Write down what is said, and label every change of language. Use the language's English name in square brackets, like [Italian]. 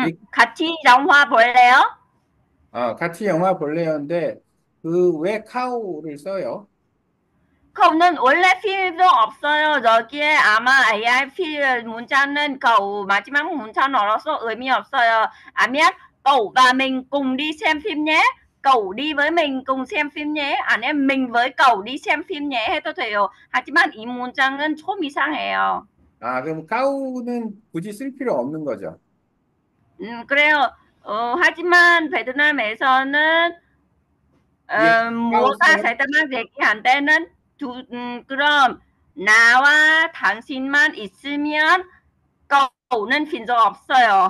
[Korean] 같이 영화 볼래요? 같이 영화 볼래요인데 그왜 카오를 써요? 그거는 원래 필요 없어요. 저기에 아마 AI 필 문자는 그 마지막 문자는 얼어서 의미 없어요. 아니면 [Vietnamese] cậu và mình cùng đi xem phim nhé. Cậu đi với mình cùng xem phim nhé. Anh em mình với cậu đi xem phim nhé. [Korean] 해도 돼요. 하지만 이 문장은 좀 이상해요. 아, 그럼 카우는 굳이 쓸 필요 없는 거죠. 그래요. 하지만 베트남에서는 예, 카우 뭐가 써요. 살다만 얘기한 때는 그럼 나와 당신만 있으면 거우는 빈소 없어요.